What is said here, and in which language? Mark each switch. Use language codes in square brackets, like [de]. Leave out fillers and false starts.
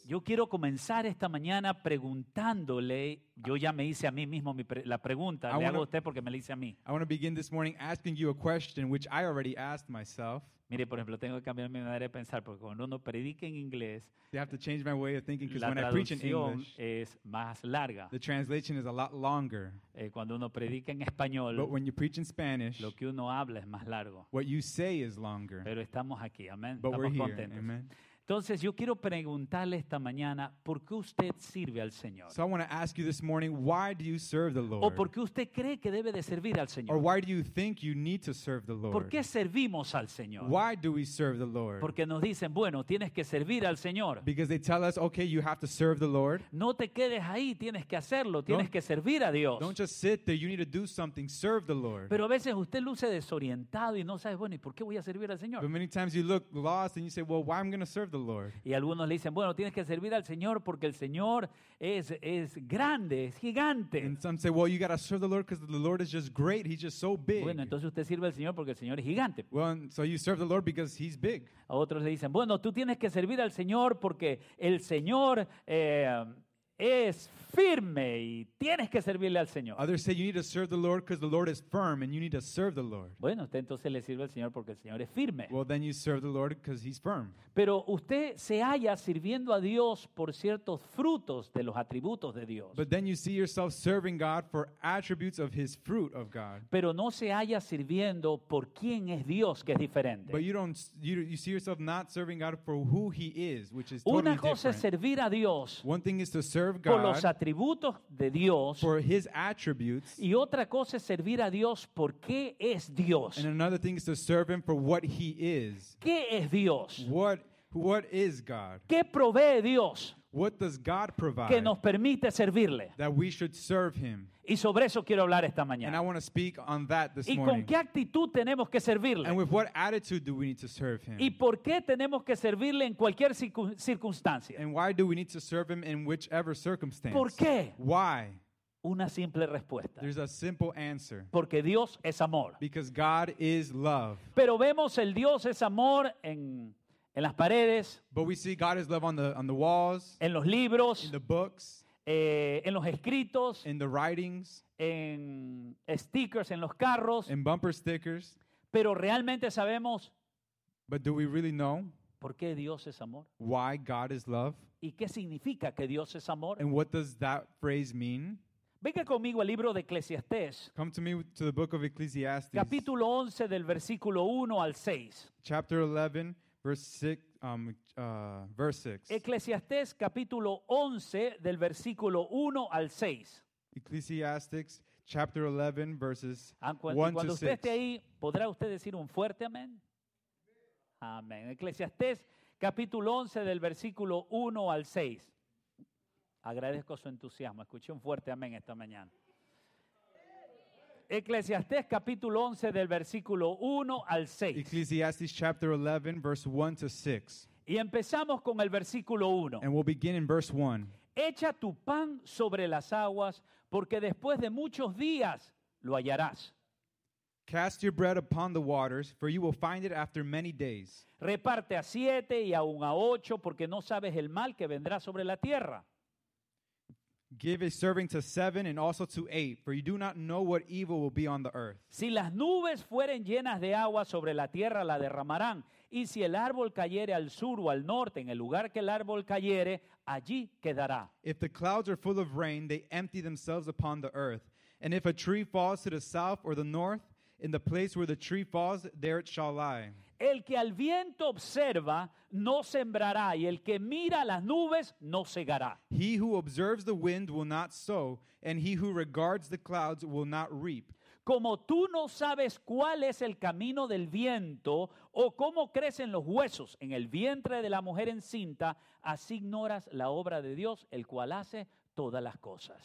[es] quiero comenzar esta mañana preguntándole, yo ya me hice a mí mismo la pregunta, le hago a usted porque me la hice a mí. [en] I want to begin this morning asking you a question which I already asked myself. [es] Mire, por ejemplo, tengo que cambiar mi manera de pensar porque cuando uno predica en inglés, [en] you have to change my way of thinking because when I preach in English, [es] la traducción es más larga. [en] The translation is a lot longer. [es] Cuando uno predica en español, [en] but when you preach in Spanish, [es] lo que uno habla es más largo. [en] What you say is longer. [es] Pero estamos aquí, amén. [en] But [es] estamos [en] we're [es] contentos. [en] Here. Amen. [es] Entonces, yo quiero preguntarle esta mañana, ¿por qué usted sirve al Señor? [en] So I want to ask you this morning, why do you serve the Lord? [es] ¿O por qué usted cree que debe de servir al Señor? [en] Or why do you think you need to serve the Lord? [es] ¿Por qué servimos al Señor? [en] Why do we serve the Lord? [es] Porque nos dicen, bueno, tienes que servir al Señor. [en] Because they tell us, okay, you have to serve the Lord. [es] No te quedes ahí, tienes que hacerlo, tienes que servir a Dios. [en] Don't just sit there, you need to do something, serve the Lord. [es] Pero a veces usted luce desorientado y no sabes, bueno, ¿y por qué voy a servir al Señor? [en] But many times you look lost and you say, well, why am I going to serve the Lord? [es] Y algunos le dicen, bueno, tienes que servir al Señor porque el Señor es grande, es gigante. [en] And some say, well, you got to serve the Lord because the Lord is just great. He's just so big. [es] Bueno, entonces usted sirve al Señor porque el Señor es gigante. [en] Well, so you serve the Lord because he's big. [es] A otros le dicen, bueno, tú tienes que servir al Señor porque el Señor es firme y tienes que servirle al Señor. [en] Others say you need to serve the Lord because the Lord is firm and you need to serve the Lord. [es] Bueno, usted entonces le sirve al Señor porque el Señor es firme. [en] Well, then you serve the Lord because he's firm. [es] Pero usted se halla sirviendo a Dios por ciertos frutos de los atributos de Dios. [en] But then you see yourself serving God for attributes of his fruit of God. [es] Pero no se halla sirviendo por quién es Dios, que es diferente. [en] But you see yourself not serving God for who he is, which is totally [es] una cosa [en] different. [es] Es servir a Dios. [en] One thing is to serve [es] por los atributos de Dios, [en] for his attributes, [es] y otra cosa es servir a Dios por qué es Dios. [en] And another thing is to serve him for what he is. [es] ¿Qué es Dios? [en] What is God? [es] ¿Qué provee Dios? [en] What does God provide? [es] Que nos permite servirle. [en] That we should serve him. [es] Y sobre eso quiero hablar esta mañana. [en] And I want to speak on that this morning. [es] ¿Y con qué actitud tenemos que servirle? [en] And with what attitude do we need to serve him? [es] ¿Y por qué tenemos que servirle en cualquier circunstancia? [en] And why do we need to serve him in whichever circumstance? [es] ¿Por qué? [en] Why? [es] Una simple respuesta. [en] There's a simple answer. [es] Porque Dios es amor. [en] Because God is love. [es] Pero vemos el Dios es amor en las paredes, [en] but we see God is love on the walls, [es] en los libros, [en] in the books, [es] en los escritos, [en] in the writings, [es] en stickers, en los carros, [en] in bumper stickers. [es] Pero realmente sabemos, [en] but do we really know, [es] por qué Dios es amor, [en] why God is love, [es] y qué significa que Dios es amor, [en] and what does that phrase mean. [es] Venga conmigo al libro de Eclesiastés. [en] Come to me to the book of Ecclesiastes. [es] Capítulo 11 del versículo 1 al 6. [en] Chapter 11. Verse 6. [es] Eclesiastés capítulo 11 del versículo 1 al 6. [en] Ecclesiastes chapter 11 verses 1 to 6. [es] Cuando usted esté ahí, ¿podrá usted decir un fuerte amén? Amén. Eclesiastés capítulo 11 del versículo 1 al 6. Agradezco su entusiasmo. Escuché un fuerte amén esta mañana. Eclesiastés capítulo 11 del versículo 1 al 6. [en] Ecclesiastes chapter 11 verse 1 to 6. [es] Y empezamos con el versículo 1. [en] And we'll begin in verse 1. [es] Echa tu pan sobre las aguas, porque después de muchos días lo hallarás. [en] Cast your bread upon the waters, for you will find it after many days. [es] Reparte a 7 y aún a 8, porque no sabes el mal que vendrá sobre la tierra. [en] Give a serving to 7 and also to 8, for you do not know what evil will be on the earth. [es] Si las nubes fueren llenas de agua sobre la tierra, la derramarán. Y si el árbol cayere al sur o al norte, en el lugar que el árbol cayere, allí quedará. [en] If the clouds are full of rain, they empty themselves upon the earth. And if a tree falls to the south or the north, in the place where the tree falls, there it shall lie. [es] El que al viento observa no sembrará, y el que mira las nubes no segará. [en] He who observes the wind will not sow, and he who regards the clouds will not reap. [es] Como tú no sabes cuál es el camino del viento, o cómo crecen los huesos en el vientre de la mujer encinta, así ignoras la obra de Dios, el cual hace todas las cosas.